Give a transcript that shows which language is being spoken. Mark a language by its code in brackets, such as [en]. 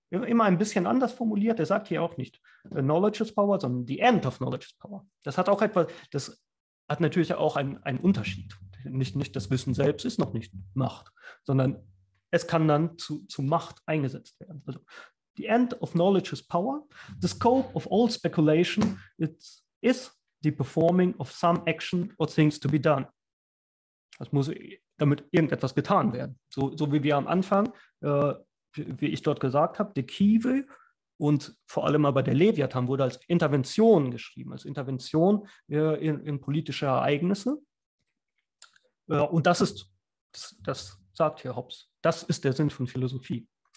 [de] Immer ein bisschen anders formuliert, er sagt hier auch nicht [en] Knowledge is Power, [de] sondern [en] the end of Knowledge is Power. [de] Das hat auch etwas, das hat natürlich auch einen Unterschied. Nicht das Wissen selbst ist noch nicht Macht, sondern es kann dann zu Macht eingesetzt werden. [en] Also, the end of Knowledge is Power. The scope of all speculation is the performing of some action or things to be done. [de] Das muss damit irgendetwas getan werden. So wie wir am Anfang, wie ich dort gesagt habe, die Kiwi und vor allem aber der Leviathan wurde als Intervention geschrieben, als Intervention in politische Ereignisse. Und das sagt hier Hobbes, das ist der Sinn von Philosophie.